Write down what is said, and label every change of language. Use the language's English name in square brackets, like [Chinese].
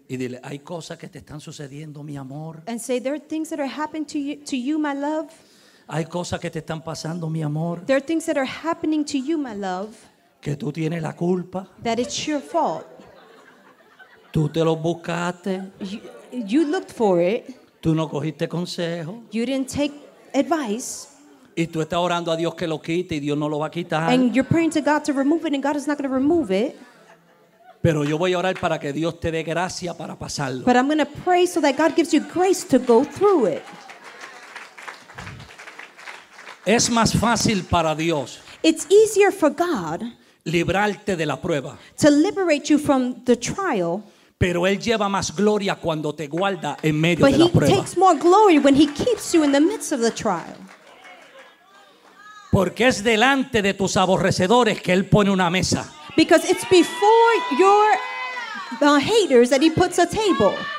[Spanish] Y dile, hay cosas que te están sucediendo, mi amor. [English] And say, there are things that are happening to you, my love. [Spanish] Hay cosas que te están pasando, mi amor. [English] There are things that are happening to you, my love. [Spanish] Que tú tienes la culpa. [English] That it's your fault. [Spanish] Tú te lo buscaste. [English] You looked for it. [Spanish] Tú no cogiste consejo. [English] You didn't take advice. [Spanish] Y tú estás orando a Dios que lo quite y Dios no lo va a quitar. [English] And you're praying to God to remove it and God is not going to remove it. [Spanish] Pero yo voy a orar para que Dios te dé gracia para pasarlo. [English] But I'm going to pray so that God gives you grace to go through it. [Spanish] Es más fácil para Dios. [English] It's easier for God. [Spanish] Librarte de la prueba. [English] To liberate you from the trial. [Spanish] Pero él lleva más gloria cuando te guarda en medio de la prueba. [English] But he takes more glory when he keeps you in the midst of the trial. [Spanish] Porque es delante de tus aborrecedores que él pone una mesa. [English] Because it's before your haters that he puts a table.